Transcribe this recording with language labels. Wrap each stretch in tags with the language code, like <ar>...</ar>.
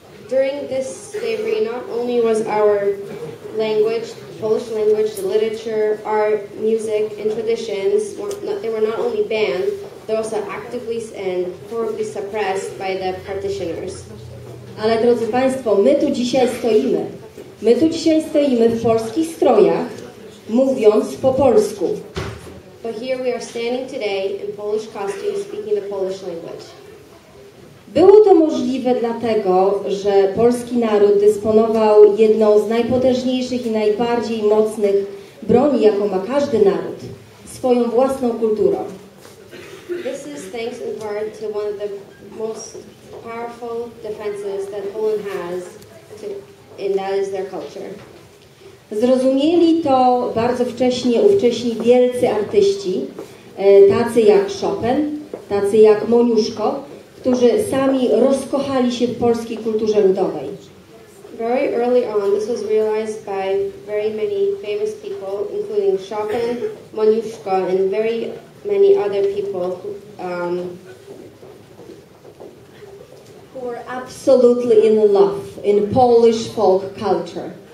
<en>During this slavery, not only was our language, Polish language, the literature, art, music and traditions, they were not only banned, they were also actively and horribly suppressed by the partitioners.</en> <pl>Ale drodzy Państwo, my tu dzisiaj stoimy. My tu dzisiaj stoimy w polskich strojach, mówiąc po polsku.</pl> <en>But here we are standing today in Polish costumes, speaking the Polish language.</en> <pl>Było to możliwe dlatego, że polski naród dysponował jedną z najpotężniejszych i najbardziej mocnych broni, jaką ma każdy naród, swoją własną kulturą.</pl> <en>This is thanks in part to one of the most powerful defenses that Poland has, and that is their culture.</en> <pl>Zrozumieli to bardzo wcześnie ówcześni wielcy artyści, tacy jak Chopin, tacy jak Moniuszko, którzy sami rozkochali się w polskiej kulturze ludowej.</pl> <en>Very early on this was realized by very many famous people, including Chopin, Moniuszko and very many other people who were absolutely in love in Polish folk culture.</en>